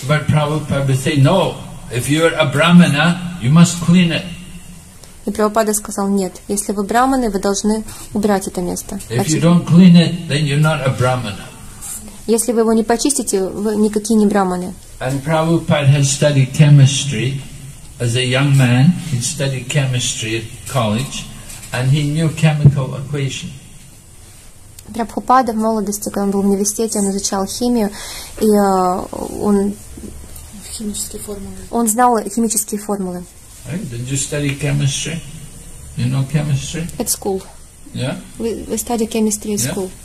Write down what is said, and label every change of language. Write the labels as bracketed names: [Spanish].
[English] But Prabhupada would say, no, if you're a brahmana, you must clean it. [Russian] И Прабхупада сказал, нет, если вы брахманы, вы должны убрать это место. [English] If you don't clean it, then you're not a brahmana. [Russian] Если вы его не почистите, вы никакие не брахманы. [English] And Prabhupada had studied chemistry as a young man. He studied chemistry at college, and he knew chemical equations. [Russian] Прабхупада в молодости, когда он был в университете, он изучал химию, и он... Химические формулы. Он знал химические формулы. [English] Did you study chemistry? You know chemistry? At school. Yeah? We study chemistry at school.